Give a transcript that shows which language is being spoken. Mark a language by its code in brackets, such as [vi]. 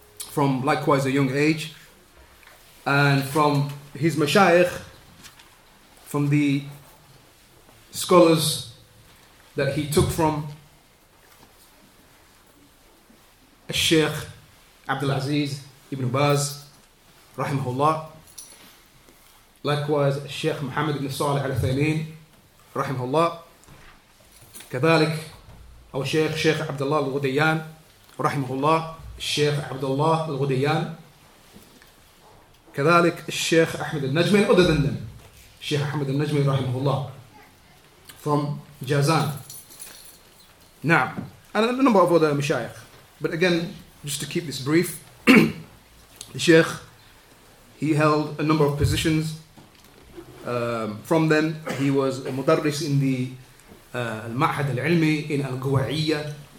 [en] From likewise a young age. And from his mashayikh, from the scholars that he took from, الشيخ عبد العزيز ابن باز [ar] رحمه الله. Likewise, الشيخ محمد بن صالح الثيمين رحمه الله. كذلك أو الشيخ عبد الله الغديان رحمه الله. الشيخ عبد الله الغديان. كذلك الشيخ أحمد النجمي الأددندن. الشيخ أحمد النجمي رحمه الله. From جازان. نعم. [en] And a number of other مشايخ. But again, just to keep this brief, the Sheikh, he held a number of positions. From them, he was a mudarris in the Al-Ma'had Al-Ilmi in Al-Guwa'iyya.